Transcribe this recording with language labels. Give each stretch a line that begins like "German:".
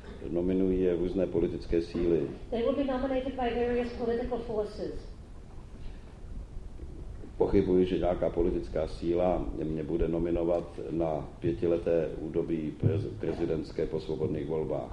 Czech: Nominují je různé politické síly.
English: They will be nominated by various political forces.
Czech: Pochybuji, že nějaká politická síla mě bude nominovat na 5leté údobí prezidentské po svobodných volbách.